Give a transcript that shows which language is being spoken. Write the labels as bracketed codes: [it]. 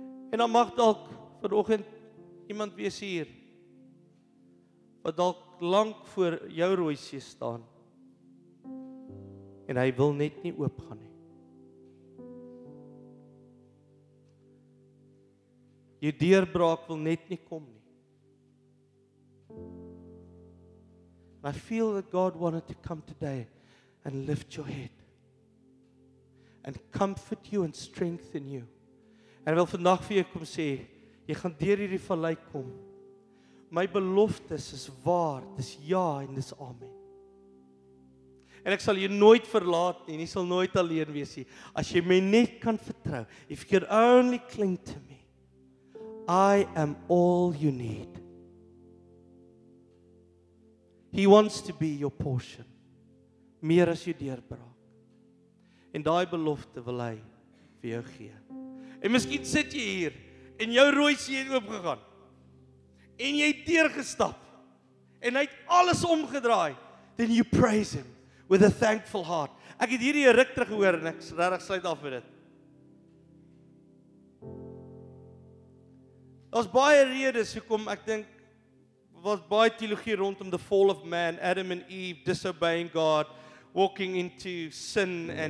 [af] En dan mag dalk vanoggend iemand wees hier wat dalk lank voor jou rooi see staan en hy wil net nie oopgaan nie. Jou deurbraak wil net nie kom nie. [en] And I feel that God wanted to come today and lift your head and comfort you and strengthen you. [af] En wil vandag vir jou kom sê, jy gaan deur hierdie vallei kom. My beloftes is waar, dis ja en dis amen. En ek sal jou nooit verlaat nie, en jy sal nooit alleen wees nie. As jy my net kan vertrou, [en] if you only cling to me, I am all you need. He wants to be your portion, [af] meer as jou deurbraak. En daai belofte wil hy vir jou gee. En miskien sit jy hier, en jou rooi see het oopgegaan, en jy het deurgestap, en hy het alles omgedraai, [en] then you praise him with a thankful heart. [af] Ek het hierdie ruk terug gehoor, en ek regtig sluit af met dit. Daar's baie redes hoekom ek dink, was baie teologie rondom [en] the fall of man, Adam and Eve, disobeying God, walking into sin,